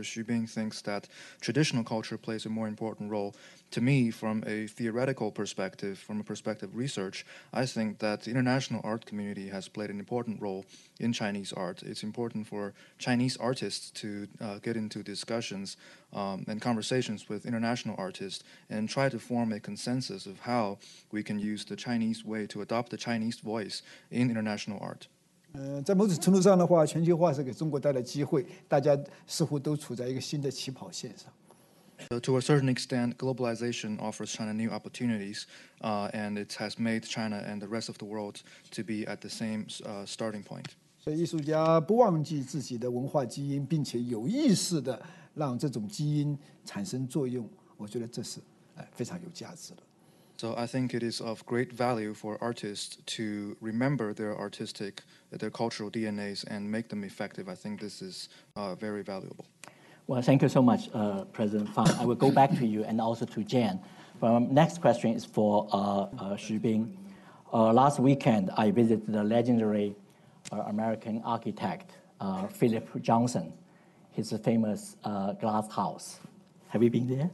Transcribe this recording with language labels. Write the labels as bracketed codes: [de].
[en] Xu Bing thinks that traditional culture plays a more important role, to me, from a theoretical perspective, from a perspective of research, I think that the international art community has played an important role in Chinese art. It's important for Chinese artists to get into discussions and conversations with international artists and try to form a consensus of how we can use the Chinese way to adopt the Chinese voice in international art. [zh] 在某种程度上的话，全球化是给中国带来机会，大家似乎都处在一个新的起跑线上。 [en] So to a certain extent, globalization offers China new opportunities, and it has made China and the rest of the world to be at the same starting point. [zh] 所以艺术家不忘记自己的文化基因，并且有意识地让这种基因产生作用，我觉得这是非常有价值的。 [en] So I think it is of great value for artists to remember their artistic, their cultural DNAs and make them effective. I think this is very valuable. Well, thank you so much, President Fang. I will go back to you and also to Jan. But next question is for Xu Bing. Last weekend, I visited the legendary American architect, Philip Johnson, his famous glass house. Have you been there?